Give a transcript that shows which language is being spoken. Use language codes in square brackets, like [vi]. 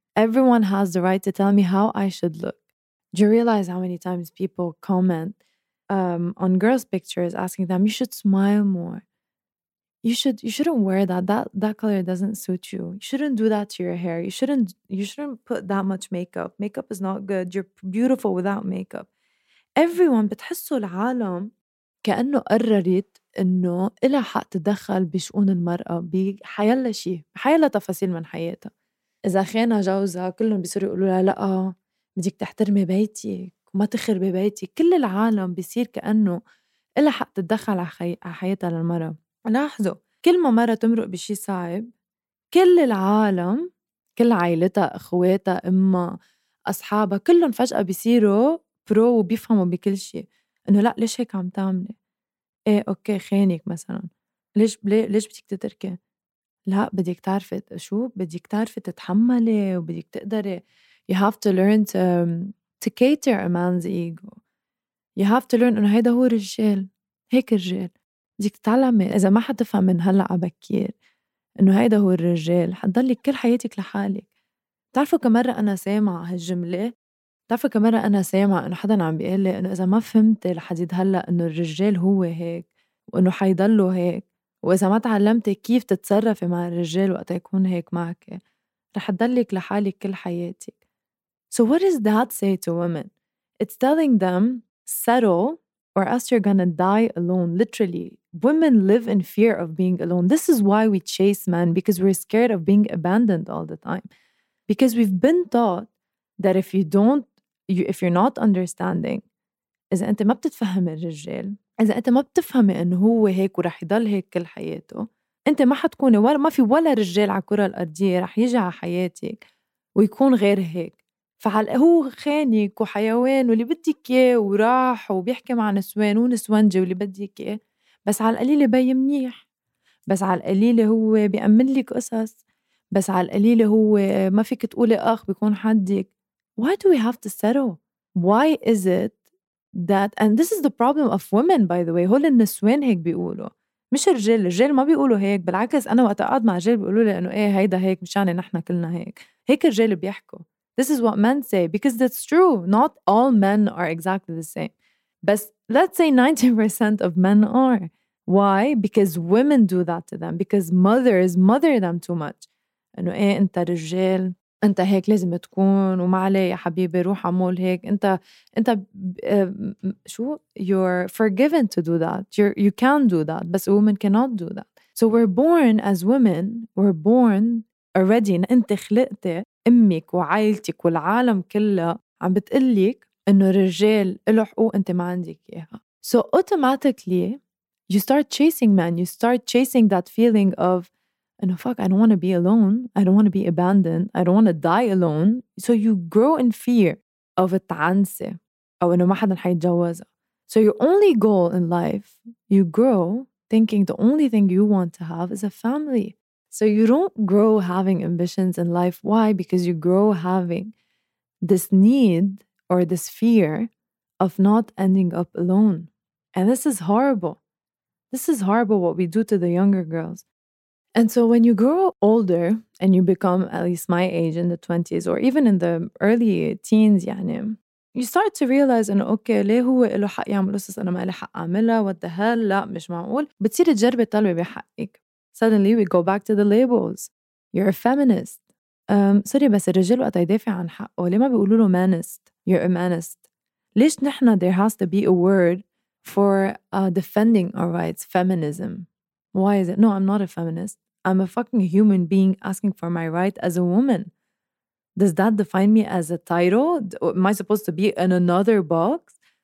[en] Everyone has the right to tell me how I should look. Do you realize how many times people comment on girls' pictures asking them, you should smile more. You shouldn't wear that. That color doesn't suit you. You shouldn't do that to your hair. You shouldn't put that much makeup. Makeup is not good. You're beautiful without makeup. [ar] Everyone بتحسوا العالم كأنه قررت إنه إلها حق تدخل بشؤون المرأة بحيلا شيء، بحيلا تفاصيل من حياتها. إذا خينا جوزها كلهم بيصيروا يقولوا لها لأ بدك تحترمي بيتك وما تخربي بيتك. كل العالم بيصير كأنه إلها حق تدخل على حياتها للمرأة. لاحظوا كل ما مرة تمرق بشي صعب كل العالم، كل عائلتها، أخواتها، أمها، أصحابها، كلهم فجأة بيصيروا برو وبيفهموا بكل شيء، إنه لا ليش هيك عم تعملي؟ إيه أوكي خينك مثلا، ليش بدك تتركي؟ لا بدك تعرفي شو؟ بدك تعرفي تتحملي وبدك تقدري. [en] You have to learn to cater a man's ego. You have to learn [ar] إنه هيدا هو الرجال، هيك الرجال. بدك تتعلمي إذا ما حتفهم من هلا عبكير إنه هيدا هو الرجال، حتضلك كل حياتك لحالك. بتعرفوا كم مرة أنا سامعة هالجملة؟ بتعرفوا كم مرة أنا سامعة إنه حدا عم بيقول لي إنه إذا ما فهمتي لحديد هلا إنه الرجال هو هيك وإنه حيضلوا هيك، وإذا ما تعلمتي كيف تتصرفي مع الرجال وقت يكون هيك معك، رح تضلك لحالك كل حياتك. [en] So what does that say to women? It's telling them settle or else you're gonna die alone. Literally, women live in fear of being alone. This is why we chase men, because we're scared of being abandoned all the time. Because we've been taught that if you're not understanding, [ar] إذا أنت ما بتتفهم الرجال، إذا أنت ما بتفهم إنه هو هيك ورح يضل هيك كل حياته، أنت ما حتكون ولا ما في ولا رجال على الكرة الأرضية رح يجي على حياتك ويكون غير هيك. فعلى هو خانك وحيوان واللي بدك اياه وراح وبيحكي مع نسوان ونسوانجه واللي بدك اياه، بس على القليله باي منيح، بس على القليله هو بيأمن لك قصص، بس على القليله هو ما فيك تقولي اخ بيكون حدك. [en] Why do we have to settle? Why is it that, and this is the problem of women by the way, [ar] هول النسوان هيك بيقولوا مش الرجال. الرجال ما بيقولوا هيك، بالعكس انا وقت اقعد مع رجال بيقولوا لي انه ايه هيدا هيك مشان نحن كلنا هيك. هيك الرجال بيحكوا. [en] This is what men say, because that's true. Not all men are exactly the same. But let's say 90% of men are. Why? Because women do that to them. Because mothers mother them too much. [ar] إنه إيه أنت رجال، أنت هيك لازم تكون، وما علي يا حبيبي روح عمول هيك. أنت شو؟ [en] You're forgiven to do that. You can do that. But a woman cannot do that. So we're born as women. We're born already. [ar] أنت خلقتي. أمك وعائلتك والعالم كله عم بتقلك إنه رجال له حقوق أنت ما عندك إياها. [en] So automatically you start chasing men. You start chasing that feeling of إنه fuck I don't want to be alone. I don't want to be abandoned. I don't want to die alone. So you grow in fear of [ar] التعنسة أو إنه ما حدا حيتجوزها. [en] So your only goal in life you grow thinking the only thing you want to have is a family. So you don't grow having ambitions in life. Why? Because you grow having this need or this fear of not ending up alone. And this is horrible. This is horrible what we do to the younger girls. And so when you grow older and you become at least my age in the 20s or even in the early teens, يعني, you start to realize, and okay, [ar] ليه هو إلو حق يعمل أساس أنا ما إلي حق أعملها؟ [en] What the hell? [ar] لا مش معقول. بتصير تجربة طلبة بحقك. [en] Suddenly, we go back to the labels. You're a feminist. [ar] سوري بس الرجل وقت يدافع عن حقه ليه ما بيقولوا له مانست؟ [en] You're a manist. [ar] ليش نحن [en] there has to be a word for defending our rights, feminism? Why is it? No, I'm not a feminist. I'm a fucking human being asking for my right as a woman. Does that define me as a title? Am I supposed to be in another box?